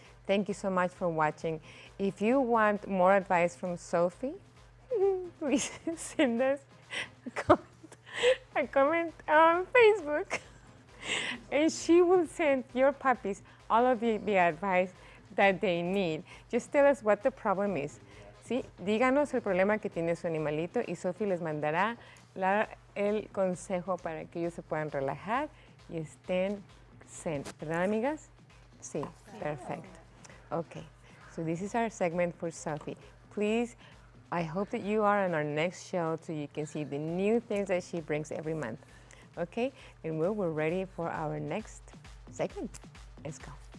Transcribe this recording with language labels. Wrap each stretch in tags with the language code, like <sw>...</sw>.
<en>Thank you so much for watching. If you want more advice from Sophie, please send us a comment on Facebook. And she will send your puppies all of the advice that they need. Just tell us what the problem is.</en> <es>¿Sí? Díganos el problema que tiene su animalito y Sophie les mandará el consejo para que ellos se puedan relajar y estén zen. ¿Verdad, amigas? Sí, perfecto.</es> <en>Okay, so this is our segment for Sophie. Please, I hope that you are on our next show so you can see the new things that she brings every month. Okay, and we're ready for our next segment. Let's go.</en>